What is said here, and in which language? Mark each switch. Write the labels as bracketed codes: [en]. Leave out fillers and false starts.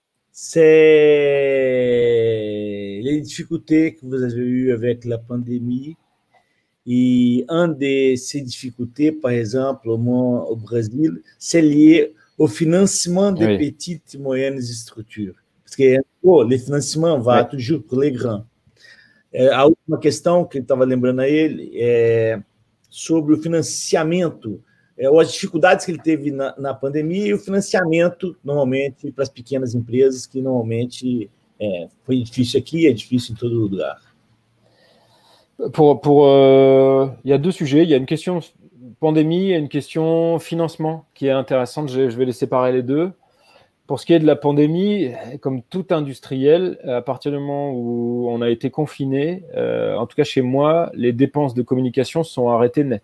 [fr] C'est les difficultés que vous avez eues avec la pandémie. Et une de ces difficultés, par exemple, au Brésil, c'est lié au financement des petites et moyennes structures. Parce que le financement va toujours pour les grands. [pt] A última question que estava lembrando a ele é sobre o financiamento, ou as dificuldades que ele teve na pandemia e o financiamento, normalmente, para as pequenas empresas, que normalmente foi difícil aqui, é difícil em todo lugar. [fr] Il y a deux sujets. Il y a une question pandémie et une question financement qui est intéressante. Je vais les séparer les deux. Pour ce qui est de la pandémie, comme tout industriel, à partir du moment où on a été confiné, en tout cas chez moi, les dépenses de communication sont arrêtées nettes.